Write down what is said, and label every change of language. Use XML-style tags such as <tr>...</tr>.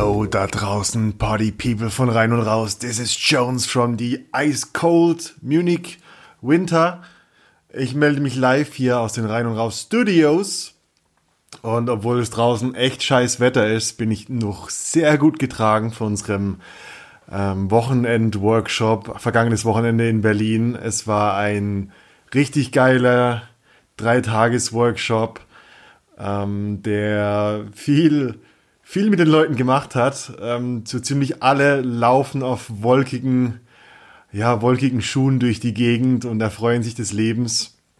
<de>Da draußen, Party People von rein und raus.</de> <en>This is Jones from the ice cold Munich Winter.</en> <de>Ich melde mich live hier aus den Rein und Raus Studios. Und obwohl es draußen echt scheiß Wetter ist, bin ich noch sehr gut getragen von unserem Wochenend-Workshop. Vergangenes Wochenende in Berlin. Es war ein richtig geiler 3-Tages-Workshop, der viel mit den Leuten gemacht hat, so ziemlich alle laufen auf wolkigen Schuhen durch die Gegend und erfreuen sich des Lebens.</de>